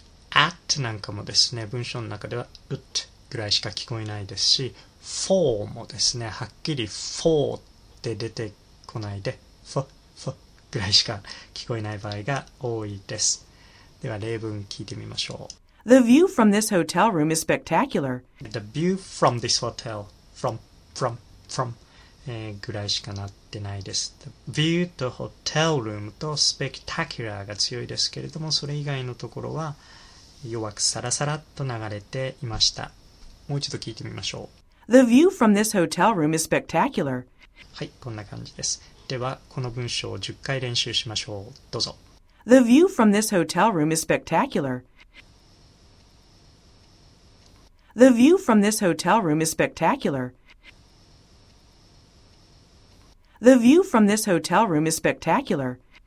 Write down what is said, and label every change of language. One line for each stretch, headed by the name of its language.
Japanese: at なんかもですね、文章の中では ut ぐらいしか聞こえないですし、 for もですね、はっきり for って出てこないで f, f ぐらいしか聞こえない場合が多いです。では例文聞いてみましょう。
English: The view from this hotel room is spectacular. The view from this hotel, from, from, from、
Japanese: ぐらいしかなってないです。ビューとホテルルームとスペクタキュラーが強いですけれども、それ以外のところは弱くサラサラと流れていました。もう一度聞いてみましょう。
English: The view from this hotel room is spectacular.
Japanese: はい、こんな感じです。では、この文章を10回練習しましょう。どうぞ。
English: The view from this hotel room is spectacular. The view from this hotel room is spectacular. The view from this hotel room is spectacular.